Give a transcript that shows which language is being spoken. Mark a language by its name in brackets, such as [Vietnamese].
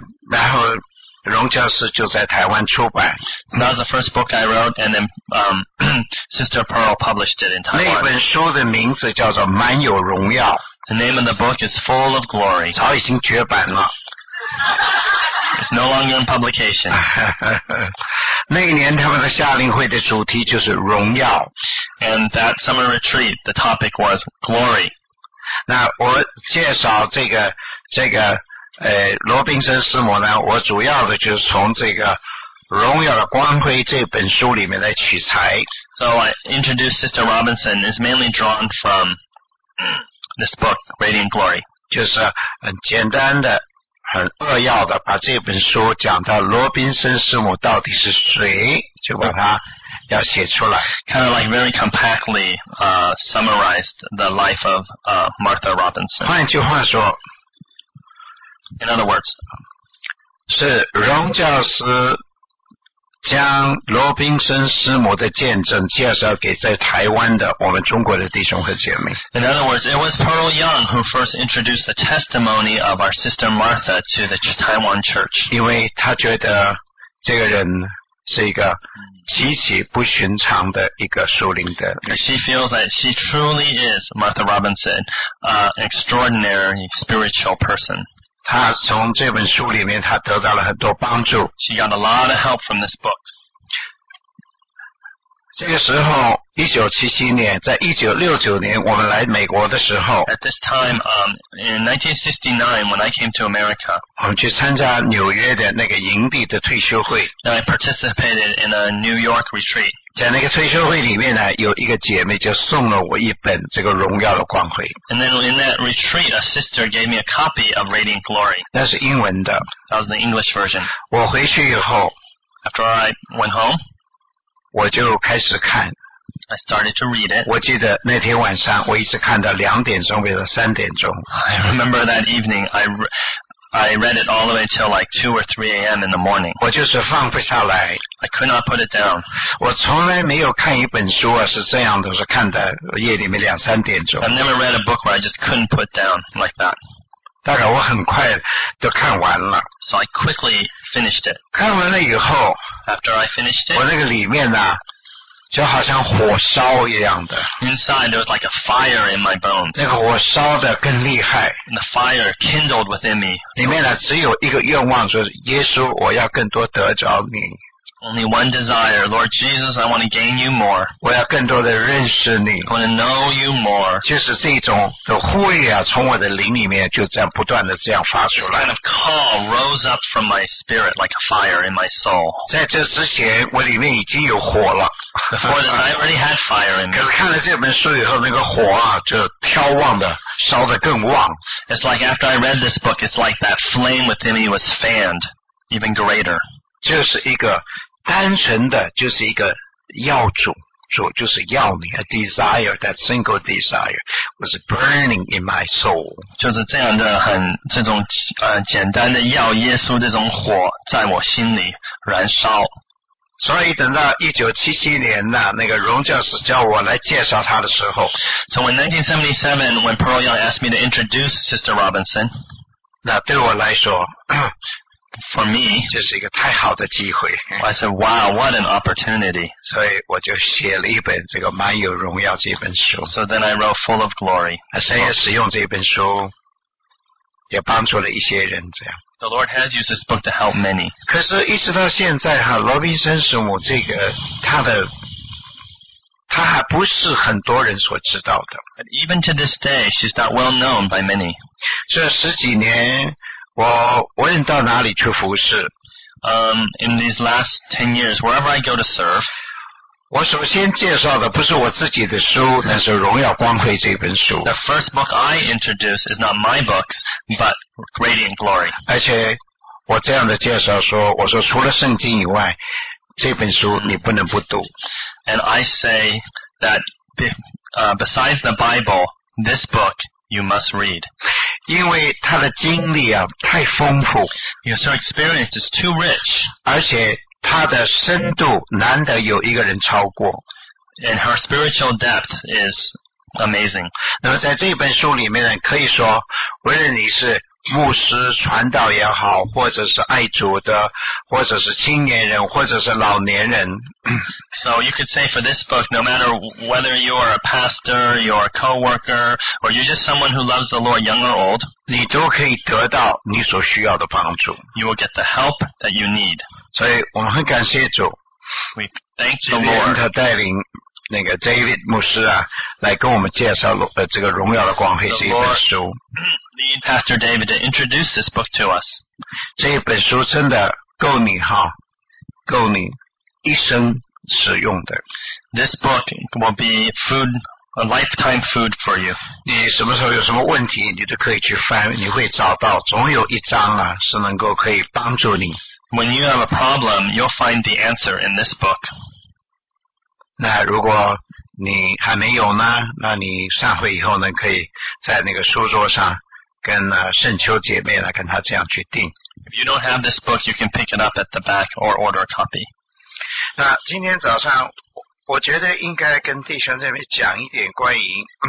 [Chinese] 然后荣教师就在台湾出版。 [English] That was the first book I wrote, and then Sister Pearl published it in Taiwan. [Chinese] 那本书的名字叫做《满有荣耀》。 [English] The name of the book is Full of Glory. [Chinese] 早已经绝版了。 [English] It's no longer in publication. [Chinese] 那一年他们的夏令会的主题就是荣耀。 [English] And that summer retreat, the topic was glory. [Chinese] 那我介绍这个罗宾森师母呢，我主要的就是从这个荣耀的光辉这本书里面来取材。 [English] So I introduced Sister Robinson is mainly drawn from this book, Radiant Glory. [Chinese] 就是很简单的很扼要的把这本书讲到罗宾森师母到底是谁就把它要写出来 [English] Kind of like very compactly summarized the life of Martha Robinson [Chinese] 换句话说 [English] In other words [Chinese] 是荣教师将罗宾森师母的见证介绍给在台湾的我们中国的弟兄和姐妹。 [English] In other words, it was Pearl Young who first introduced the testimony of our sister Martha to the Taiwan church. [Chinese] 因为他觉得这个人是一个极其不寻常的一个属灵的人。 [English] She feels that she truly is, Martha Robinson, an extraordinary spiritual person. [Chinese] 他从这本书里面他得到了很多帮助 [English] She got a lot of help from this book [Chinese] 这个时候1977年在1969年我们来美国的时候 [English] At this time, in 1969 when I came to America [Chinese] 我们去参加纽约的那个营地的退休会 [English] Now I participated in a New York retreat [Chinese] 在那个退休会里面呢有一个姐妹就送了我一本这个荣耀的光辉 [English] And then in that retreat a sister gave me a copy of Radiant Glory [Chinese] 那是英文的 [English] That was the English version [Chinese] 我回去以后 [English] After I went home [Chinese] 我就开始看 [English] I started to read it [Chinese] 我记得那天晚上我一直看到两点钟或者三点钟 [English] I remember that evening I read it all the way till like 2 or 3 a.m. in the morning [Chinese] 我就是放不下来 [English] I could not put it down [Chinese] 我从来没有看一本书是这样的是看到夜里面两三点钟 [English] I never read a book where I just couldn't put down like that [Chinese] 大概我很快都看完了 [English] So I quickly finished it [Chinese] 看完了以后 [English] After I finished it, [Chinese] 我那个里面啊，就好像火烧一样的。 [English] Inside there was like a fire in my bones. [Chinese] 那个火烧的更厉害。 [English] And the fire kindled within me. [Chinese] 里面呢只有一个愿望，就是耶稣，我要更多得着你。 [English] Only one desire, Lord Jesus, I want to gain you more. [Chinese] 我要更多的认识你。 [English] I want to know you more. [Chinese] 就是这种的呼吁啊，从我的灵里面就这样不断的这样发出来。 [English] This kind of call rose up from my spirit like a fire in my soul. [Chinese] 在这之前，我里面已经有火了。 [English] Before that, I already had fire in me. [Chinese] 可是看了这本书以后，那个火啊，就眺望的。烧得更旺。 [English] It's like after I read this book, it's like that flame within me was fanned even greater. [Chinese] 就是一个单纯的就是一个要主，主就是要你 ， [English] a desire that single desire was burning in my soul， [Chinese] 就是这样的很这种简单的要耶稣这种火在我心里燃烧。所以等到1977年呢，那个荣教师叫我来介绍他的时候 [English] ，So in 1977 when Pearl Young asked me to introduce Sister Robinson， [Chinese] 那对我来说。 [English] For me, [Chinese] 这是一个太好的机会。 [English] I said, "Wow, what an opportunity!" [Chinese] 所以我就写了一本这个蛮有荣耀这本书。 [English] So then I wrote "Full of Glory." [Chinese] 神也使用这本书，也帮助了一些人。这样 [English] ，The Lord has used this book to help many. [Chinese] 可是，一直到现在哈，罗宾森师母这个他还不是很多人所知道的。 [English] But even to this day, she's not well known by many. [Chinese] 这十几年。我问到哪里去服事 [English] In these last 10 years, wherever I go to serve, [Chinese] 我首先介绍的不是我自己的书，那是《荣耀光辉》这本书。 [English] The first book I introduce is not my books, but Radiant Glory. [Chinese] 而且我这样的介绍说，我说除了圣经以外，这本书你不能不读。 [English] And I say that besides the Bible, this book you must read. [Chinese] 因为他的经历啊太丰富 [English] Because her experience is too rich [Chinese] 而且他的深度难得有一个人超过 [English] And her spiritual depth is amazing [Chinese] 那么在这本书里面可以说无论你是牧师传道也好或者是爱主的或者是青年人或者是老年人 [English] So you could say for this book no matter whether you are a pastor you're a co-worker or you're just someone who loves the Lord young or old [Chinese] 你都可以得到你所需要的帮助 [English] You will get the help that you need [Chinese] 所以我们很感谢主 [English] We thank the Lord 今 [Chinese] 天他带领那个 David 牧师啊来跟我们介绍这个荣耀的光辉这一本书 [English] Need Pastor David to introduce this book to us. [Chinese] 这本书真的够你哈，够你一生使用的。 [English] This book will be food, a lifetime food for you. [Chinese] 你什么时候有什么问题，你都可以去翻，你会找到，总有一章啊，是能够可以帮助你。 [English] When you have a problem, you'll find the answer in this book. [Chinese] 那如果你还没有呢，那你上会以后呢，可以在那个书桌上。跟圣秋姐妹来跟她这样去订。 [English] If you don't have this book, you can pick it up at the back or order a copy. [Chinese] 那今天早上，我觉得应该跟弟兄姐妹讲一点关于。